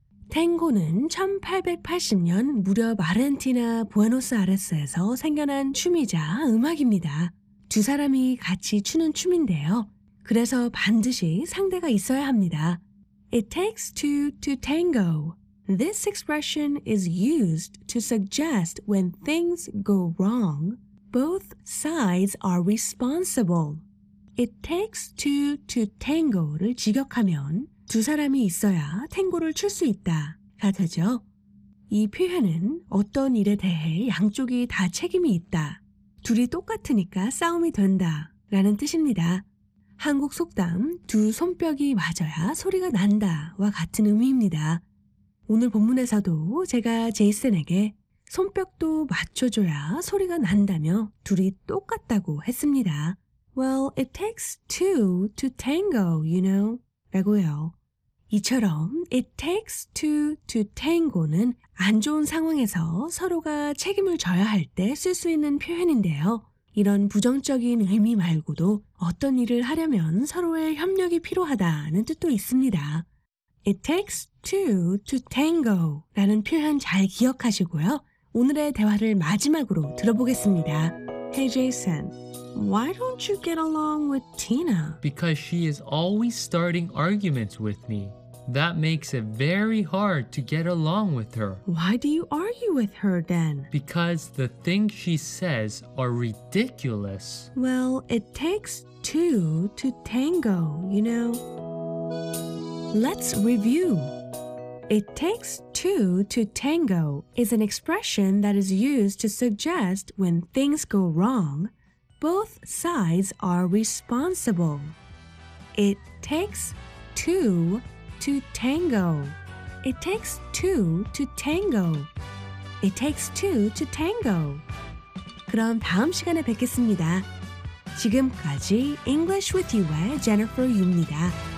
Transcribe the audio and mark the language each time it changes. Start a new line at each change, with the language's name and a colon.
Korean: 탱고는 1880년 무렵 아르헨티나 부에노스아레스에서 생겨난 춤이자 음악입니다. 두 사람이 같이 추는 춤인데요. 그래서 반드시 상대가 있어야 합니다.
English: It takes two to tango. This expression is used to suggest when things go wrong, both sides are responsible. It takes two to tango
Korean: 를 직역하면 두 사람이 있어야 탱고를 출 수 있다. 가 되죠? 이 표현은 어떤 일에 대해 양쪽이 다 책임이 있다. 둘이 똑같으니까 싸움이 된다. 라는 뜻입니다. 한국 속담 두 손뼉이 맞아야 소리가 난다. 와 같은 의미입니다. 오늘 본문에서도 제가 제이슨에게 손뼉도 맞춰줘야 소리가 난다며 둘이 똑같다고 했습니다.
English: Well, it takes two to tango, you know.
Korean: 라고요. 이처럼
English: It takes two to tango
Korean: 는 안 좋은 상황에서 서로가 책임을 져야 할 때 쓸 수 있는 표현인데요. 이런 부정적인 의미 말고도 어떤 일을 하려면 서로의 협력이 필요하다는 뜻도 있습니다.
English: It takes two to tango
Korean: 라는 표현 잘 기억하시고요. 오늘의 대화를 마지막으로 들어보겠습니다.
English: Hey Jason, why don't you get along with Tina? Because she is always starting arguments with me. That makes it very hard to get along with her. Why do you argue with her then? Because the things she says are ridiculous. Well, it takes two to tango, you know. Let's review. It takes two to tango is an expression that is used to suggest when things go wrong, both sides are responsible. It takes two to tango. It takes two to tango. It takes two to tango.
Korean: 그럼 다음 시간에 뵙겠습니다. 지금까지 English with You의 Jennifer Yu입니다.